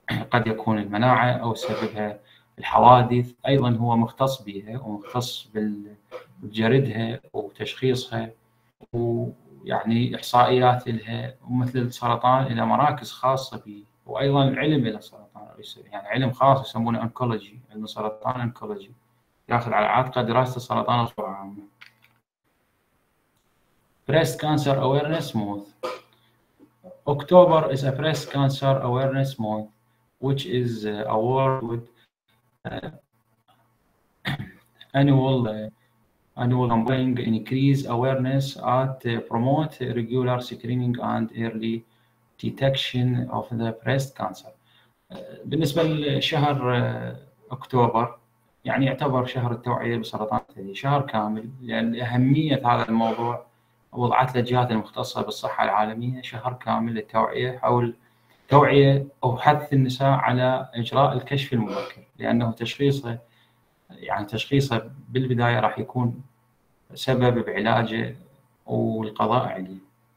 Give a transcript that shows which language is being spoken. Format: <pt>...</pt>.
<ar>قد يكون المناعة او يسببها الحوادث، ايضا هو مختص بها ومختص بجردها وتشخيصها ويعني احصائيات لها، ومثل السرطان الى مراكز خاصة به، وايضا العلم الى السرطان يعني علم خاص يسمونه أنكولوجي، علم سرطان أنكولوجي، ياخذ على عاتقه دراسة السرطان بصورة عامة.</ar> <en>Breast Cancer Awareness Month. October is a breast cancer awareness month which is awarded with annual ongoing increase awareness at promote regular screening and early detection of the breast cancer.</en> <ar>بالنسبة لشهر أكتوبر يعني يعتبر شهر التوعية بسرطان الثدي شهر كامل، لأن أهمية هذا الموضوع وضعت الجهات المختصة بالصحة العالمية شهر كامل للتوعية حول توعية أو حث النساء على إجراء الكشف المبكر، لأنه تشخيصه يعني تشخيصه بالبداية راح يكون سبب بعلاجه والقضاء عليه.</ar>